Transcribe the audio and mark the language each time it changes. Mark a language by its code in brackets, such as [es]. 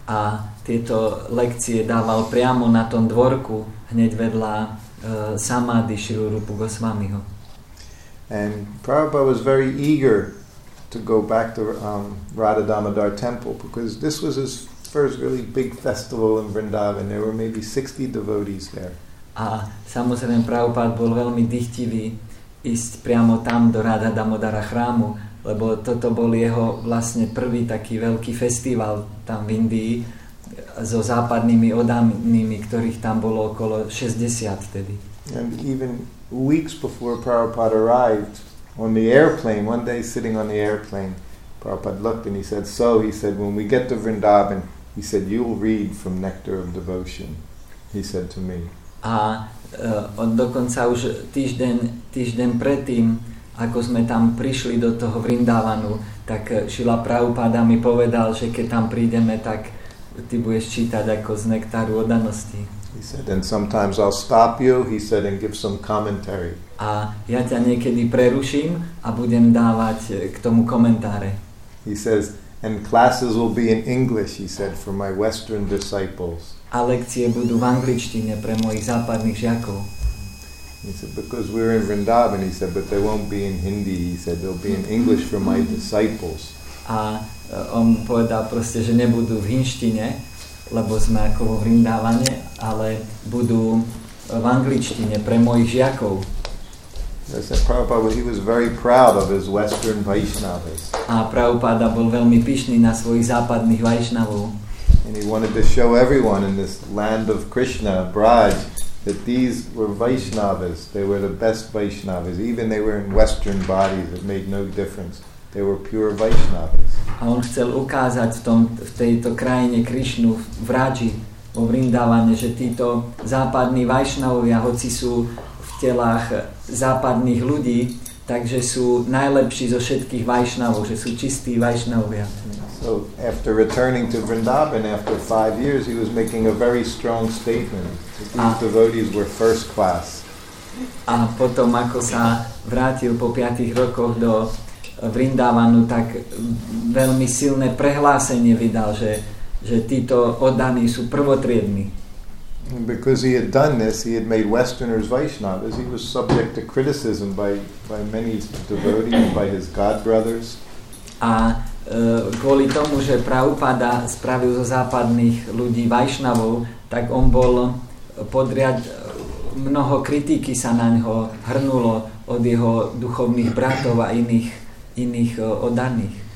[sk] A tieto lekcie dával priamo na tom dvorku hneď vedľa Samadhi Srila Rupa Goswamiho. [en] And Prabhupada was very eager to go back to Radha Damodar Temple because this was his first really big festival in Vrindavan. There were maybe 60 devotees there. [sk] A samozrejme Prabhupada bol veľmi dychtivý ísť priamo tam do Radha Damodara chrámu, lebo toto bol jeho vlastne prvý taký veľký festival tam v Indii so západnými odanými, ktorých tam bolo okolo 60 vtedy. [en] And even weeks before Prabhupada arrived on the airplane, one day sitting on the airplane, Prabhupada looked and he said, when we get to Vrindavan, he said, you'll read from Nectar of Devotion, he said to me. [sk] A dokonca už týždeň predtým, ako sme tam prišli do toho Vrindavanu, tak Srila Prabhupada mi povedal, že keď tam prídeme, tak ty budeš čítať ako z nektáru oddanosti. [en] He said, and sometimes I'll stop you, he said, and give some commentary. [sk] A ja ťa niekedy preruším a budem dávať k tomu komentáre. [en] He says, and classes will be in English, he said, for my Western disciples. [sk] A lekcie budú v angličtine pre mojich západných žiakov. [en] He said, because we're in Vrindavan, he said, but they won't be in Hindi, he said, they'll be in English for my disciples. [sk] A on povedal proste, že nebudú v hinštine, lebo sme ako vo Vrindávane, ale budú v angličtine pre mojich žiakov. [en] I said, Prabhupada, he was very proud of his Western Vaishnavas. [sk] A Prabhupada bol veľmi pyšný na svojich západných Vaishnavov. [en] And he wanted to show everyone in this land of Krishna, Braj, that these were Vaishnavas. They were the best Vaishnavas. Even they were in Western bodies, it made no difference. They were pure Vaishnavas. [sk] A on chcel ukázať v tejto krajine Krishnu, v Raji, vo Vrindavane, že títo západní Vaishnavovia, hoci sú v telách západných ľudí, takže sú najlepší zo všetkých Vaishnavov, že sú čistí Vaishnavovia. [en] So after returning to Vrindavan after 5 years, he was making a very strong statement. These devotees were first class. [sk] A potom, ako sa vrátil po 5 rokoch do Vrindavanu, tak veľmi silné prehlásenie vydal, že títo oddaní sú prvotriední. [en] Because he had done this, he had made Westerners Vaishnavas. He was subject to criticism by many devotees, by his godbrothers. [sk] A kvôli tomu, že Prabhupada spravil zo západných ľudí Vaishnavov, tak on bol podriad, mnoho kritiky sa na ňo hrnulo od jeho duchovných bratov a iných oddaných.